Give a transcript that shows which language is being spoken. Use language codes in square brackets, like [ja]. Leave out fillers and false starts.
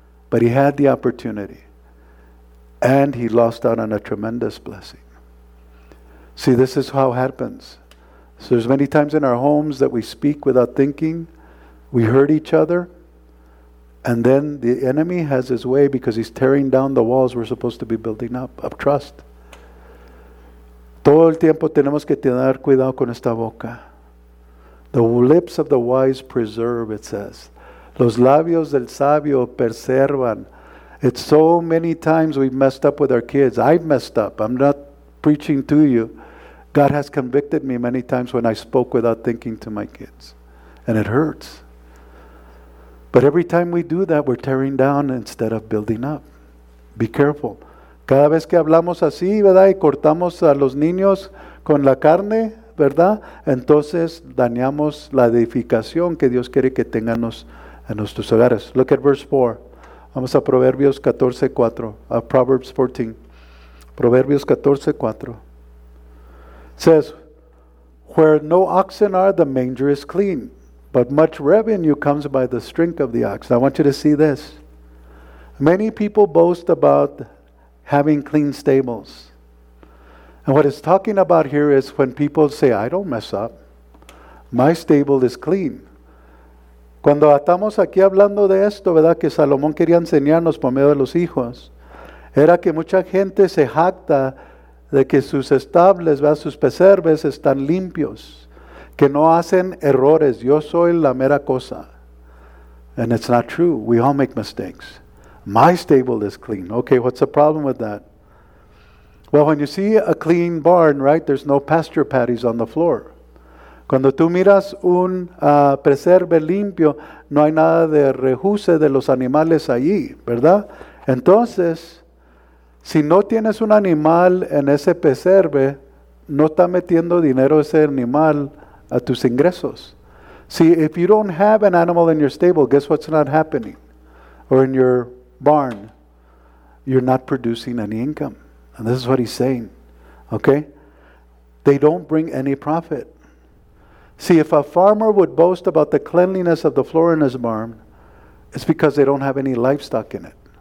[en] But he had the opportunity, and he lost out on a tremendous blessing. See, this is how it happens. So there's many times in our homes that we speak without thinking, we hurt each other, and then the enemy has his way because he's tearing down the walls we're supposed to be building up of trust. [es] Todo el tiempo tenemos que tener cuidado con esta boca. [en] The lips of the wise preserve, it says. [es] Los labios del sabio preservan. [en] It's so many times we've messed up with our kids. I've messed up. I'm not preaching to you. God has convicted me many times when I spoke without thinking to my kids. And it hurts. But every time we do that, we're tearing down instead of building up. Be careful. [es] Cada vez que hablamos así, ¿verdad? Y cortamos a los niños con la carne, ¿verdad? Entonces dañamos la edificación que Dios quiere que tengamos en nuestros hogares. [en] Look at verse 4. [es] Vamos a Proverbios 14:4. [en] A Proverbs 14. Proverbios 14:4. It says, where no oxen are, the manger is clean, but much revenue comes by the strength of the ox. I want you to see this. Many people boast about having clean stables. And what it's talking about here is when people say, I don't mess up. My stable is clean. [es] Cuando estamos aquí hablando de esto, ¿verdad? Que Salomón quería enseñarnos por medio de los hijos. era que mucha gente se jacta de que sus establos, ¿verdad? Sus pesebres están limpios, que no hacen errores. Yo soy la mera cosa. [en] And it's not true. We all make mistakes. My stable is clean. Okay, what's the problem with that? Well, when you see a clean barn, right, there's no pasture patties on the floor. [es] Cuando tú miras un preserve limpio, no hay nada de rejuce de los animales allí, ¿verdad? Entonces, si no tienes un animal en ese preserve, no está metiendo dinero ese animal a tus ingresos. [en] See, if you don't have an animal in your stable, guess what's not happening? Or in your barn, you're not producing any income. And this is what he's saying, okay? They don't bring any profit. See, if a farmer would boast about the cleanliness of the floor in his barn, it's because they don't have any livestock in it.